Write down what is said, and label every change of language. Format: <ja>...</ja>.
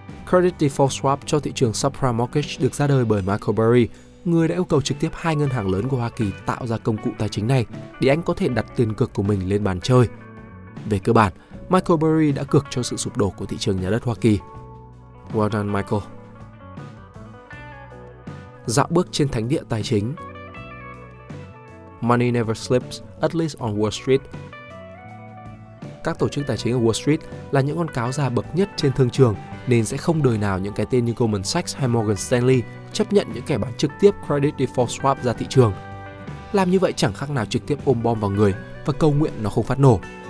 <vi>Credit Default Swap cho thị trường subprime mortgage được ra đời bởi Michael Burry, người đã yêu cầu trực tiếp hai ngân hàng lớn của Hoa Kỳ tạo ra công cụ tài chính này để anh có thể đặt tiền cược của mình lên bàn chơi. Về cơ bản, Michael Burry đã cược cho sự sụp đổ của thị trường nhà đất Hoa Kỳ.</vi> <en>Well done, Michael.</en> <vi>Dạo bước trên thánh địa tài chính.</vi> <en>Money never sleeps, at least on Wall Street.</en> <vi>Các tổ chức tài chính ở Wall Street là những con cáo già bậc nhất trên thương trường, nên sẽ không đời nào những cái tên như Goldman Sachs hay Morgan Stanley chấp nhận những kẻ bán trực tiếp credit default swap ra thị trường. Làm như vậy chẳng khác nào trực tiếp ôm bom vào người và cầu nguyện nó không phát nổ.</vi>